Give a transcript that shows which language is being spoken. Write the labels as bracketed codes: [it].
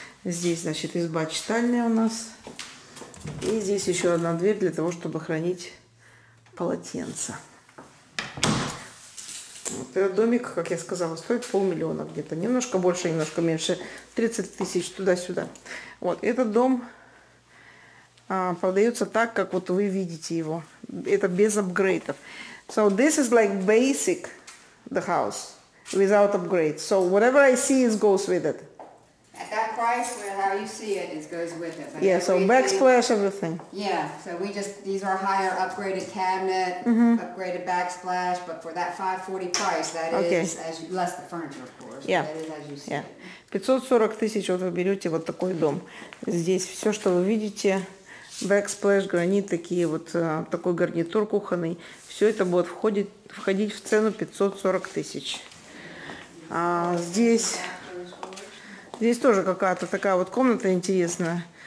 [ru] Здесь, значит, изба читальная у нас. И здесь еще одна дверь для того, чтобы хранить полотенца. Вот этот домик, как я сказала, стоит 500 000 где-то. Немножко больше, немножко меньше. 30 тысяч туда-сюда. Вот этот дом... продается так, как вот вы видите его. Это без апгрейдов. [en] So this is like basic, the house, without upgrades. So whatever I see is goes with it. At that price, well, how you see it, is goes with it. But yeah, so backsplash, everything. Yeah, so we just, these are higher upgraded cabinet, upgraded backsplash, but for that $540 price, that is, as you, less the furniture, of course. Yeah. That is as you see. Yeah. [ru] 540 тысяч, вот вы берете вот такой дом. Здесь все, что вы видите, backsplash, гранит, такие вот, такой гарнитур кухонный, все это будет входить в цену 540 тысяч. А здесь тоже какая-то такая вот комната интересная.